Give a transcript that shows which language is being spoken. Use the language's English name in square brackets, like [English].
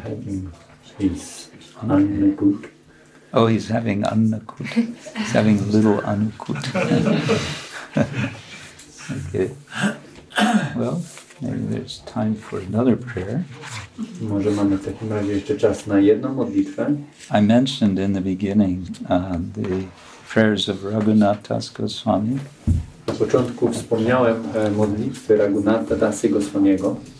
[English] having his anukut. Oh, he's having anukut. He's having little anukut. Okay. Well, maybe there's time for another prayer. [Polish] Może mamy w takim razie jeszcze czas na jedną modlitwę. I mentioned in the beginning the prayers of Raghunatha Das Goswami. Na początku wspomniałem modlitwy Raghunatha Das Goswamiego.